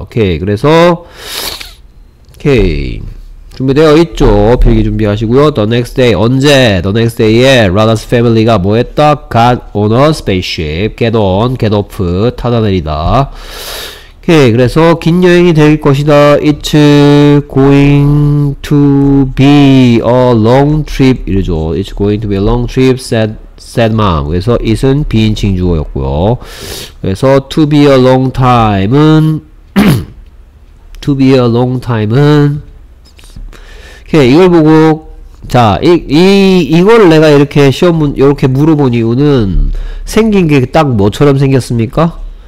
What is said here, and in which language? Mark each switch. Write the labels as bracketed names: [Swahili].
[Korean] 오케이. 그래서 오케이. 준비되어 있죠. 필기 준비하시고요. The next day. 언제? The next day에 Radha's family가 뭐 했다? Got on a spaceship. Get on. Get off. 타다 내리다. 오케이. 그래서 긴 여행이 될 것이다. [English] It's going to be a long trip 이러죠. It's going to be a long trip said mom. [Korean] 그래서 it은 비인칭 주어였고요. 그래서 to be a long time은 to be a long time은 오케이. 이걸 보고 자, 이걸 내가 이렇게 이렇게 물어본 이유는 생긴 게 딱 뭐처럼 생겼습니까?